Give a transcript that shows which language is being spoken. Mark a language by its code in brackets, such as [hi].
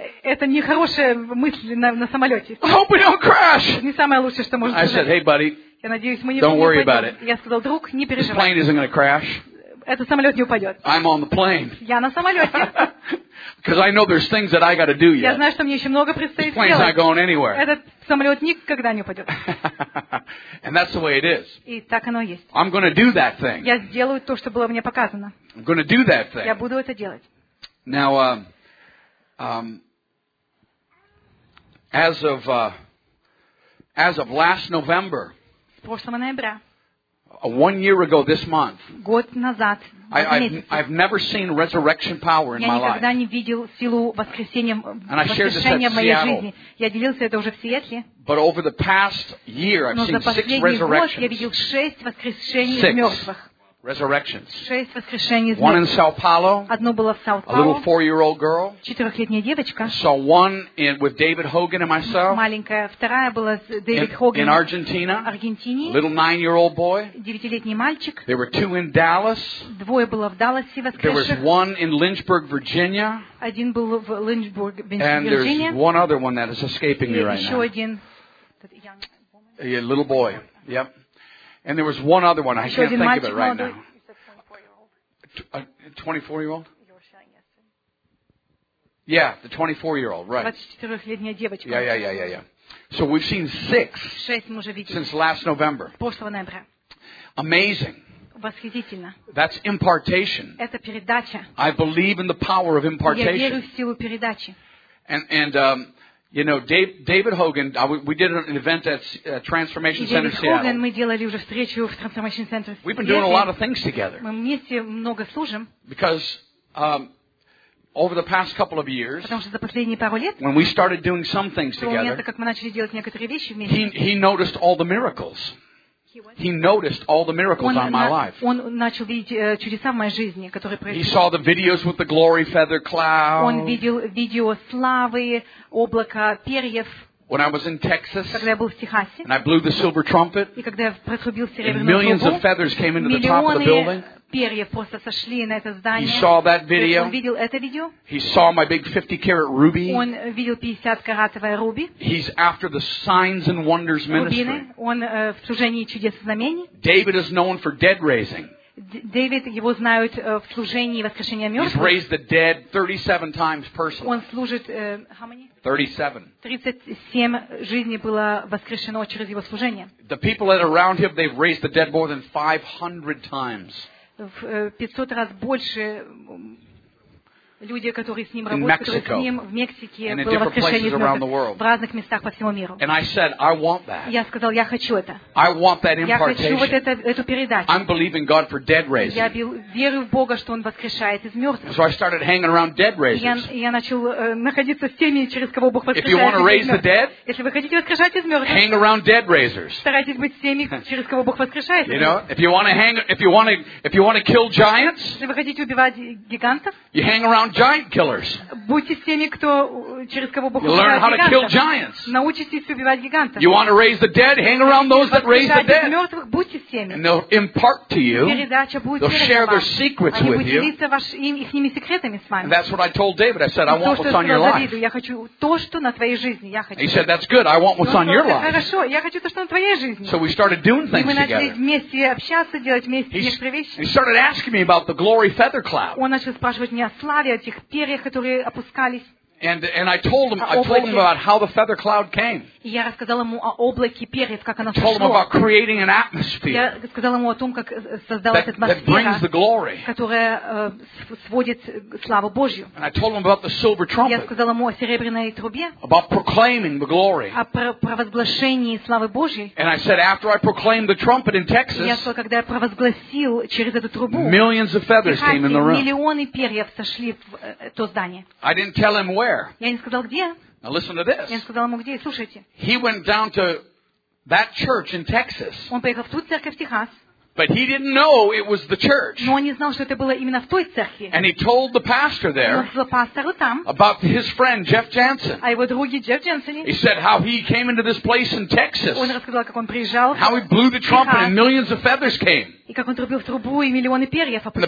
[ru] Это не хорошая мысль на самолете. [en] I hope we don't crash. [ru] Не самое лучшее, что можно. [en] I said, hey buddy. [ru] Я надеюсь, мы не. [en] Don't worry about it. [ru] Я сказал, друг, не переживай. [en] This plane isn't going to crash. [ru] Этот самолет не упадет. [en] I'm on the plane. [ru] Я на самолете. [en] Because I know there's things that I got to do yet. [ru] Я знаю, что мне еще много предстоит сделать. [en] This plane's not going anywhere. [ru] Этот самолет никогда не упадет. [en] And that's the way it is. [ru] И так оно есть. [en] I'm going to do that thing. [ru] Я сделаю то, что было мне показано. [en] I'm going to do that thing. [ru] Я буду это делать. [en] Now, as of last November. [ru] С прошлого ноября. [en] One year ago this month. [ru] Год назад. [en] I've never seen resurrection power in my life. [ru] Я никогда не видел силу воскресения в моей жизни. Я делился это уже в Сиэтле. [en] But over the past year, I've seen six resurrections. [ru] Я видел шесть воскрешений из мертвых. [en] Resurrections. [ru] Шесть воскрешений из [en] мертвых. One in Sao Paulo. [ru] Одно было в Сао-Пауло. [en] A little four-year-old girl. [ru] Четырехлетняя девочка. [en] Saw one with David Hogan and myself. [ru] Маленькая. Вторая была с Дэвид Хоган. [en] In Argentina. [ru] Аргентине. [en] A little nine-year-old boy. [ru] Девятилетний мальчик. [en] There were two in Dallas. [ru] Двое было в Далласе воскресших. [en] There was one in Lynchburg, Virginia. [ru] Один был в Линчбург, Вирджиния. [en] And there's one other one that is escaping me right now. [ru] И еще один. [en] A little boy. Yep. And there was one other one. I can't think of it right now. A 24-year-old? Yeah, the 24-year-old, right. Yeah. So we've seen six since last November. Amazing. [ru] Восхитительно. [en] That's impartation. [ru] Это передача. [en] I believe in the power of impartation. [ru] Я верю в силу передачи. [en] David Hogan, we did an event at Transformation Center Seattle. [ru] Дэвид Хоган, мы делали уже встречу в Transformation Center. [en] We've been doing a lot of things together. [ru] Мы вместе много служим. [en] Because over the past couple of years, [ru] потому что за последние пару лет, [en] when we started doing some things together, [ru] момент, как мы начали делать некоторые вещи вместе, [en] he noticed all the miracles. He noticed all the miracles on my life. [ru] Он начал видеть чудеса в моей жизни, которые происходили. [en] He saw the videos with the glory feather cloud. [ru] Он видел видео славы, облака перьев. [en] When I was in Texas, [ru] когда я был в Техасе, [en] and I blew the silver trumpet, [ru] и когда я протрубил серебряную трубу, [en] millions of feathers came into the top of the building. [ru] Перьев просто сошли на это здание. [en] He saw that video. [ru] Он видел это видео. [en] He saw my big 50-carat ruby. [ru] Он видел 50-каратовое руби. [en] He's after the signs and wonders ministry. [ru] Он в служении чудес и знамений. [en] David is known for dead raising. [ru] Дэвид, его знают в служении воскрешения мертвых. [en] He's raised the dead 37 times personally. [ru] Он служит, [en] how many? [ru] 37. 37 жизней было воскрешено через его служение. [en] The people that are around him, they've raised the dead more than 500 times. [ru] В 500 раз больше люди, которые с ним работали, которые с ним в Мексике было воскрешение смертных, в разных местах по всему миру. [en] And I said, I want that. [ru] Я сказал, я хочу это. [en] I want that impartation. [ru] Я хочу вот эту передачу. [en] I'm believing God for dead raising. [ru] Я верю в Бога, что Он воскрешает из мертвых. [en] So I started hanging around dead raisers. [ru] Я начал находиться с теми, через кого Бог воскрешает. [en] If you want to raise the dead, [ru] если вы хотите воскрешать из мертвых, [en] hang around dead raisers. [ru] Старайтесь быть с теми, через кого Бог воскрешает. [en] You know, if you want to kill giants, [ru] если вы хотите убивать гигантов, [en] you hang around giant killers. [ru] Будьте с теми, кто через кого Бог убивает гигантов. [en] Learn how to kill giants. [ru] Научитесь убивать гигантов. [en] You want to raise the dead? Hang around those that raise the dead. [ru] Мертвых, будьте с теми. [en] And they'll impart to you. [ru] Передача будет. [en] They'll share their secrets with you. [ru] Они будут делиться ихними секретами с вами. [en] And that's what I told David. I said, I want what's on your life. [ru] Я хочу то, что на твоей жизни. Я хочу. [en] He said, that's good. I want what's on your life. [ru] Хорошо, я хочу то, что на твоей жизни. [en] So we started doing things together. [ru] Мы начали вместе общаться, делать вместе некоторые вещи. [en] He started asking me about the glory feather cloud. [ru] Он начал спрашивать меня о славе. Этих перьях, которые опускались. [en] And I told him about how the feather cloud came. [ru] И я рассказал ему о облаке перьев, как оно сошло. [en] Told him about creating an atmosphere. [ru] Я сказал ему о том, как создалась атмосфера, [en] that brings the glory. [ru] Которая сводит славу Божью. [en] And I told him about the silver trumpet. [ru] Я сказал ему о серебряной трубе. [en] About proclaiming the glory. [ru] О провозглашении славы Божьей. [en] And I said, after I proclaimed the trumpet in Texas, [ru] я сказал, когда я провозгласил через эту трубу, [en] millions of feathers came in the room. [ru] Миллионы перьев сошли в то здание. [en] I didn't tell him where. [ru] Я не сказал где. [en] Now listen to this. [ru] Я сказал ему где. Слушайте. [en] He went down to that church in Texas. [ru] Он поехал в ту церковь в Техас. [en] But he didn't know it was the church. [ru] Но он не знал, что это было именно в той церкви. [en] And he told the pastor there. [ru] Он сказал пастору там. [en] About his friend Jeff Jansen. [ru] О его друге Джефф Джансене. [en] He said how he came into this place in Texas. [ru] Он рассказал, как он приезжал. [en] How he blew the trumpet and millions of feathers came. [ru] И как он трубил в трубу и миллионы перьев опустили.